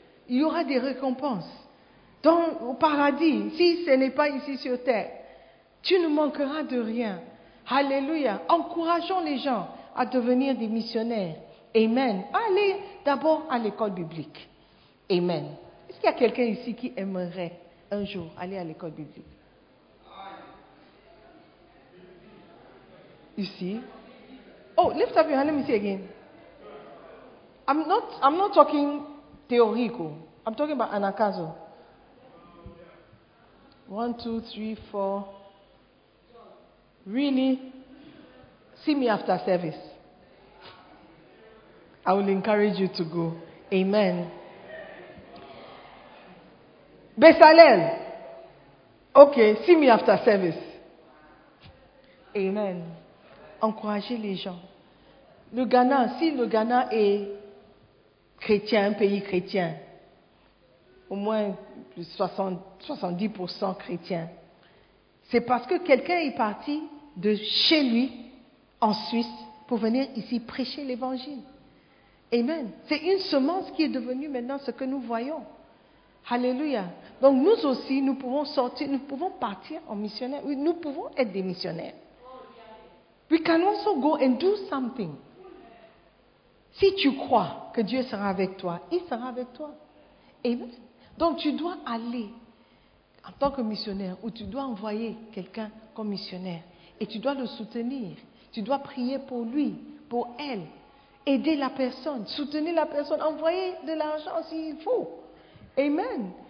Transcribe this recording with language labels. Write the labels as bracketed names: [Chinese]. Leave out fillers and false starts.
[French] Il y aura des récompenses. Dans au paradis, si ce n'est pas ici sur terre, tu ne manqueras de rien. Alléluia. Encourageons les gens à devenir des missionnaires. Amen. Allez d'abord à l'école biblique. Amen. Est-ce qu'il y a quelqu'un ici qui aimerait un jour aller à l'école biblique? [English] You see? Oh, lift up your hand. Let me see again. I'm not talking teórico. I'm talking about anakazo. 1, 2, 3, 4. Really? See me after service. I will encourage you to go. Amen. Bezalel. Okay, see me after service. [French] Amen. Encouragez les gens. Le Ghana, si le Ghana est chrétien, un pays chrétien, au moins 70% chrétien, c'est parce que quelqu'un est parti de chez lui, en Suisse, pour venir ici prêcher l'évangile. Amen. C'est une semence qui est devenue maintenant ce que nous voyons. Alléluia. Donc nous aussi, nous pouvons sortir, nous pouvons partir en missionnaire. Oui, nous pouvons être des missionnaires. [English] We can also go and do something. [French] Si tu crois que Dieu sera avec toi, il sera avec toi. Amen. Donc tu dois aller en tant que missionnaire ou tu dois envoyer quelqu'un comme missionnaire et tu dois le soutenir. Tu dois prier pour lui, pour elle. Aider la personne, soutenir la personne, envoyer de l'argent s'il faut. Amen.